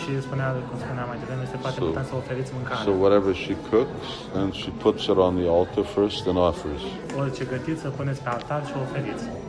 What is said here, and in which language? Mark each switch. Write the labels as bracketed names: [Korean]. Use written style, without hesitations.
[Romanian] She spunea, cum spunea mai devreme, este foarte important să oferiți mâncare. [English] So whatever she cooks, then she puts it on the altar first and offers. [Romanian] Orice gătiți, să puneți pe altar și o oferiți.